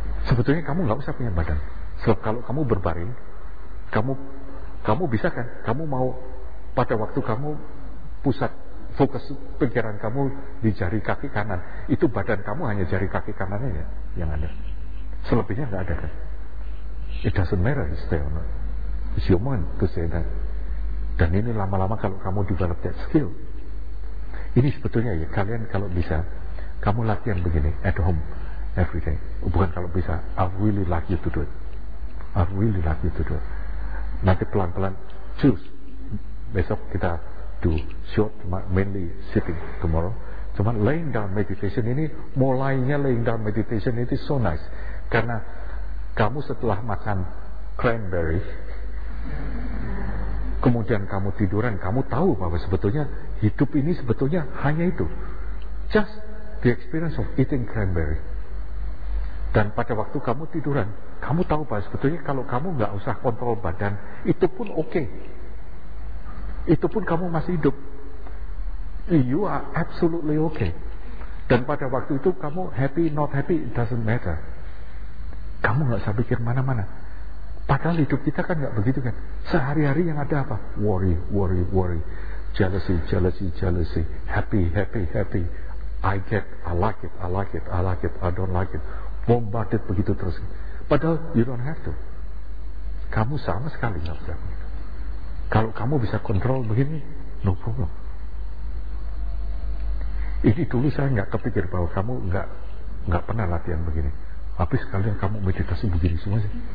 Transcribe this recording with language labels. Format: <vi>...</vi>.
<id>Sebetulnya kamu gak usah punya badan. Sebab kalau kamu berbaring, kamu bisa kan? Kamu mau pada waktu kamu pusat fokus pikiran kamu di jari kaki kanan, itu badan kamu hanya jari kaki kanannya ya, yang ada. Selebihnya gak ada kan?</id> <en>It doesn't matter, it's there or not. It's your mind to say that.</en> <id>Dan ini lama-lama kalau kamu</id> <en>develop that skill.</en> <id>Ini sebetulnya ya, kalian kalau bisa, kamu latihan begini,</id> <en>at home, every day.</en> <id>Bukan kalau bisa,</id> <en>I really like you to do it. I really like you to do it.</en> <id>Nanti pelan-pelan,</id> <en>choose.</en> <id>Besok kita</id> <en>do short, mainly sitting tomorrow. Cuma laying down meditation ini,</en> <id>mulainya</id> <en>laying down meditation itu so nice.</en> <id>Karena kamu setelah makan cranberry, kemudian kamu tiduran, kamu tahu bahwa sebetulnya hidup ini sebetulnya hanya itu.</id> <en>Just the experience of eating cranberry.</en> <id>Dan pada waktu kamu tiduran, kamu tahu bahwa sebetulnya kalau kamu gak usah kontrol badan, itu pun oke. Itu pun kamu masih hidup.</id> <en>You are absolutely okay.</en> <id>Dan pada waktu itu kamu</id> <en>happy, not happy, it doesn't matter.</en> <id>Kamu gak usah pikir mana-mana. Padahal hidup kita kan gak begitu kan. Sehari-hari yang ada apa?</id> <en>Worry, worry, worry. Jealousy, jealousy, jealousy. Happy, happy, happy. I get, I like it, I like it, I like it, I don't like it. Bombarded</en> <id>begitu terus.</id> <en>Padahal you don't have to.</en> <id>Kamu sama sekali gak usah. Kalau kamu bisa kontrol begini,</id> <en>no problem.</en> <id>Ini dulu saya gak kepikir bahwa kamu gak pernah latihan begini. Tapi sekalian kamu meditasi begini semua sih.</id>